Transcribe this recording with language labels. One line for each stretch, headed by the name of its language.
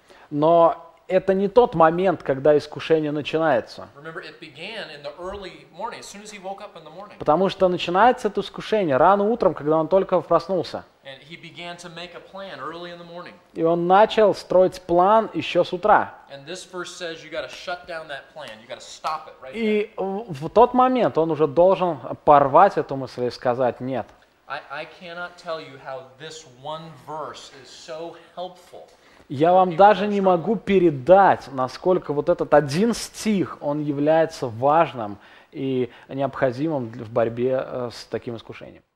Russian: Но это не тот момент, когда искушение начинается.
English: Remember, it began in the early morning, as soon as he woke up in the morning.
Russian: Потому что начинается это искушение рано утром, когда он только проснулся.
English: And he began to make a plan early in the morning.
Russian: И он начал строить план еще с утра.
English: And this verse says you got to shut down that plan. You got to stop it right.
Russian: И в тот момент он уже должен порвать эту мысль и сказать нет.
English: I cannot tell you how this one verse is so helpful.
Russian: Я вам даже не могу передать, насколько вот этот один стих, он является важным и необходимым в борьбе с таким искушением.